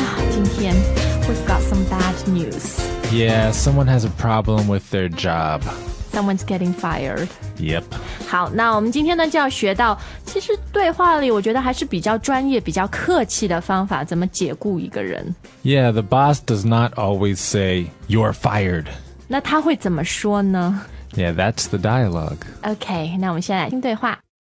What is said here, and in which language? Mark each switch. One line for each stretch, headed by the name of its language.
Chinese: 今天
English: we've got some bad news. Yeah, someone has a problem with their job. Someone's getting fired. Yep.
Chinese: 好，那我们今天呢就要学到，其实对话里我觉得还是比较专业、比较客气的方法，怎么解雇一个人。
English: Yeah, the boss does not always say you're fired.
Chinese: 那他会怎么说呢？
English: Yeah, that's the dialogue.
Chinese: Okay, 那我们先来听对话。